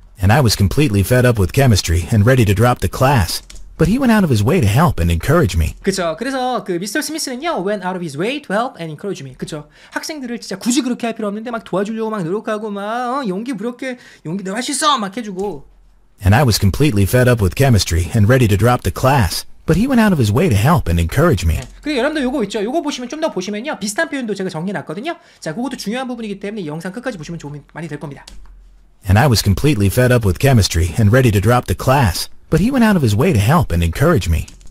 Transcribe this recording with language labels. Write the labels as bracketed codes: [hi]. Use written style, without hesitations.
[en] and I was completely fed up with chemistry and ready to drop the class. But he went out of his way to help and encourage me. [ko] 그쵸. 그래서 그 미스터 스미스는요, [en] went out of his way to help and encourage me. [ko] 그쵸. 학생들을 진짜 굳이 그렇게 할 필요 없는데 막 도와주려고 막 노력하고 막 용기 부럽게 용기 내 맛있어 막 해주고. [en] And I was completely fed up with chemistry and ready to drop the class. But he went out of his way to help and encourage me. [ko] 네. 그리고 여러분도 요거 있죠. 요거 보시면 좀 더 보시면요, 비슷한 표현도 제가 정리해놨거든요. 자, 그것도 중요한 부분이기 때문에 영상 끝까지 보시면 도움이 많이 될 겁니다. [en] And I was completely fed up with chemistry and ready to drop the class. But he went out of his way to help and encourage me.